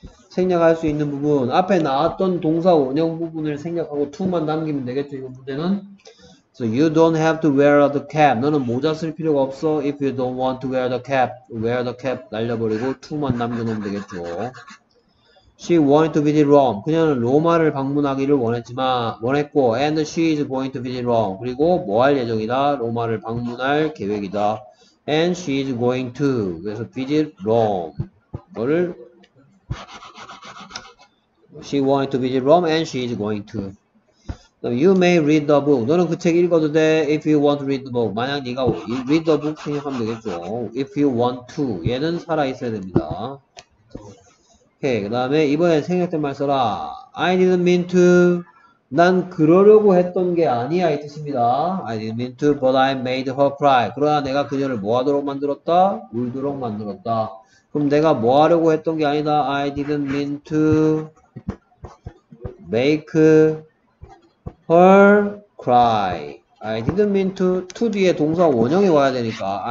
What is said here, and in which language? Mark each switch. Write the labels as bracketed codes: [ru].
[ko] 생략할 수 있는 부분. 앞에 나왔던 동사 원형 부분을 생략하고 to만 남기면 되겠죠. 이 문제는. [en] So you don't have to wear the cap. [ko] 너는 모자 쓸 필요가 없어. [en] If you don't want to wear the cap, wear the cap [ko] 날려버리고 to만 남겨놓으면 되겠죠. [en] She wanted to visit Rome. [ko] 그녀는 로마를 방문하기를 원했고 [en] and she is going to visit Rome. [ko] 그리고 뭐 할 예정이다? 로마를 방문할 계획이다. [en] And she is going to. [ko] 그래서 [en] visit Rome. [ko] 뭐를? [en] She wanted to visit Rome and she is going to. So you may read the book. [ko] 너는 그 책 읽어도 돼. [en] If you want to read the book. [ko] 만약 네가 [en] read the book [ko] 생각하면 되겠죠. [en] If you want to. [ko] 얘는 살아있어야 됩니다. 오케이. 그 다음에 이번엔 생략된말 써라. [en] I didn't mean to. [ko] 난 그러려고 했던 게 아니야 이 뜻입니다. [en] I didn't mean to, but I made her cry. [ko] 그러나 내가 그녀를 뭐하도록 만들었다? 울도록 만들었다. 그럼 내가 뭐하려고 했던 게 아니다. [en] I didn't mean to make her cry. I didn't mean to. [ko] to 뒤에 동사 원형이 와야 되니까.